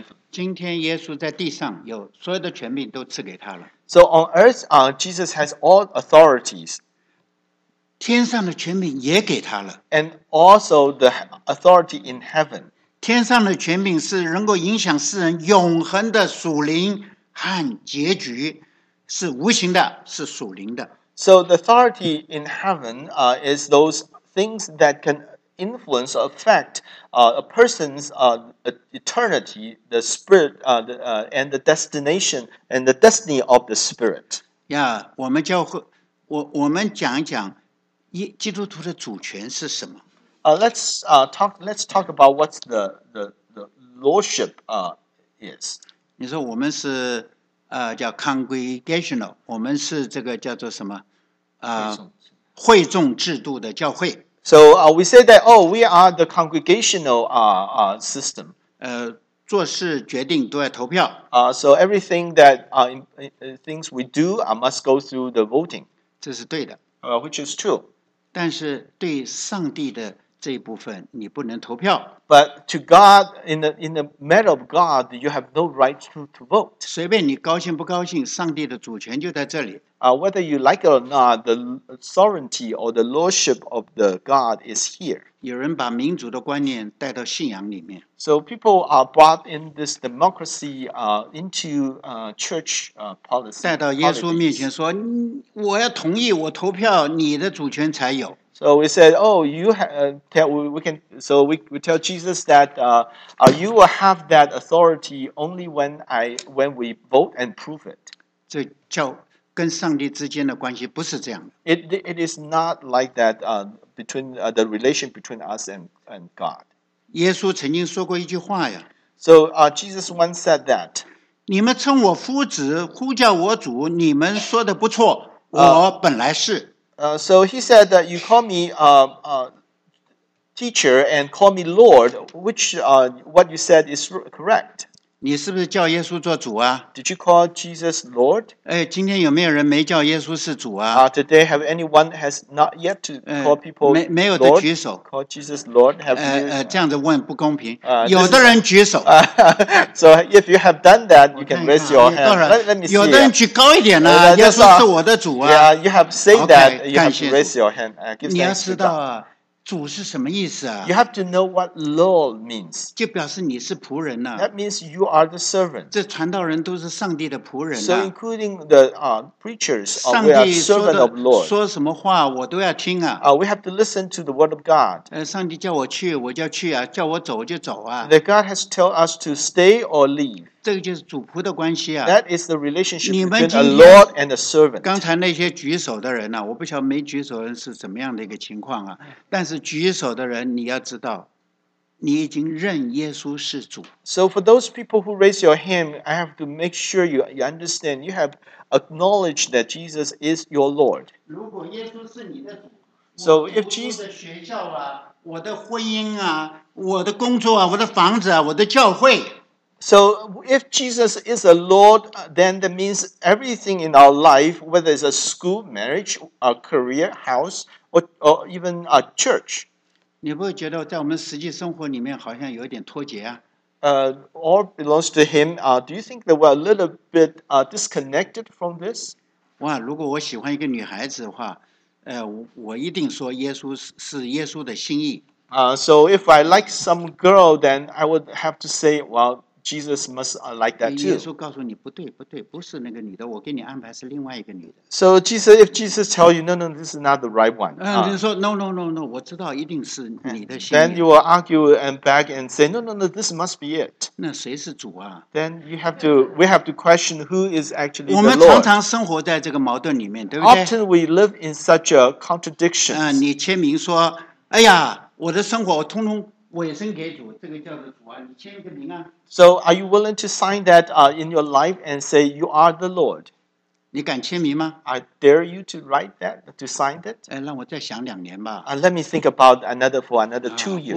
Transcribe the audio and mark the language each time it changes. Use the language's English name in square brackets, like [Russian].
[Chinese] 今天耶稣在地上有所有的权柄都赐给他了。 [English] So on earth, Jesus has all authorities. [Chinese] 天上的权柄也给他了。 [English] And also the authority in heaven. [Chinese] 天上的权柄是能够影响世人永恒的属灵和结局，是无形的，是属灵的。 [English] So the authority in heaven, is those things that can influence or affect a person's eternity, the spirit, and the destination and the destiny of the spirit. [Chinese] Yeah, 我们教会，我们讲一讲，基督徒的主权是什么？ [English] Let's talk about what the lordship is. [Chinese] 你说我们是叫 congregational， 我们是这个叫做什么？会众制度的教会。 [English] So we say that, oh, we are the congregational system. [Chinese] 做事决定都要投票。 [English] So everything that things we do must go through the voting. [Chinese] 这是对的。 [English] Which is true. [Chinese] 但是对上帝的这一部分你不能投票。 [English] But to God, in the matter of God, you have no right to vote. [Chinese] 随便你高兴不高兴，上帝的主权就在这里。 [English] Whether you like it or not, the sovereignty or the lordship of the God is here. [Chinese] 有人把民主的观念带到信仰里面。 [English] So people are brought in this democracy into church policy. [Chinese] 带到耶稣面前说，我要同意，我投票，你的主权才有。 [English] So we said, oh, you tell we can. So we tell Jesus that you will have that authority only when we vote and prove it. [Chinese] 这叫跟上帝之间的关系不是这样的。 [English] It is not like that between the relation between us and God. [Chinese] 耶稣曾经说过一句话呀。 [English] So Jesus once said that. [Chinese] 你们称我夫子，呼叫我主，你们说的不错，我本来是。 [English] So he said that you call me teacher and call me Lord, which what you said is correct. [Chinese] 你是不是叫耶稣做主啊？ [English] Did you call Jesus Lord? [Chinese] 今天有没有人没叫耶稣是主啊？ [English] Today have anyone has not yet to call people Lord? [Chinese] 没有的举手。 [English] Call Jesus Lord? [Chinese] 这样子问不公平。有的人举手。 [English] So if you have done that, you can raise your hand. Let me see. [Chinese] 有的人举高一点呢、啊，耶稣是我的主啊。 [English] Yeah, you have said that. Okay, you have to raise your hand. Give thanks to God. [Chinese] 你要知道啊。主是什么意思啊？ [English] You have to know what Lord means. [Chinese] 就表示你是仆人啊。 [English] That means you are the servant. [Chinese] 这传道人都是上帝的仆人啊。 [English] So including the preachers, we are servant of Lord. [Chinese] 说什么话我都要听啊。 [English] We have to listen to the word of God. [Chinese] 上帝叫我去我就去啊，叫我走就走啊。 [English] That God has told us to stay or leave. [Chinese] 这个就是主仆的关系啊。 [English] That is the relationship between a Lord and a servant. [Chinese] 刚才那些举手的人啊，我不晓得没举手的人是怎么样的一个情况啊。但是举手的人，你要知道，你已经认耶稣是主。 [English] So for those people who raise your hand, I have to make sure you understand you have acknowledged that Jesus is your Lord. [Chinese] 如果耶稣是你的主， [English] So if Jesus [Chinese] 我的学校啊，我的婚姻啊，我的工作啊，我的房子啊，我的教会。 [English] So if Jesus is a Lord, then that means everything in our life, whether it's a school, marriage, a career, house, or even a church. [Chinese] 你不会觉得在我们实际生活里面好像有点脱节啊？ [English] All belongs to him. Do you think that we're a little bit disconnected from this? [Chinese] 哇，如果我喜欢一个女孩子的话，我一定说耶稣是耶稣的心意。 [English] So if I like some girl, then I would have to say, well. Jesus must like that too. [Chinese] 耶稣告诉你, 不对, 不对, 不是那个女的, 我给你安排是另外一个女的。 [English] So Jesus, if Jesus tells you, no, no, this is not the right one. [Chinese] 就说, [English] no, no, no, no, [Chinese] 我知道一定是你的心意。 [English] Then you will argue and beg and say, no, no, no, this must be it. [Chinese] 那谁是主啊? [English] Then you have to, we have to question who is actually the Lord. [Chinese] 我们常常生活在这个矛盾里面, 对不对? [English] Often we live in such a contradiction. [Chinese] 你签名说, 哎呀, 我的生活, 我通通, 我也生给主, 这个叫做主啊, [English] so are you willing to sign that in your life and say you are the Lord? [Chinese] 你敢签名吗? [English] I dare you to write that, to sign it. [Chinese] 让我再想两年吧。 [English] Let me think about another for another 2 years.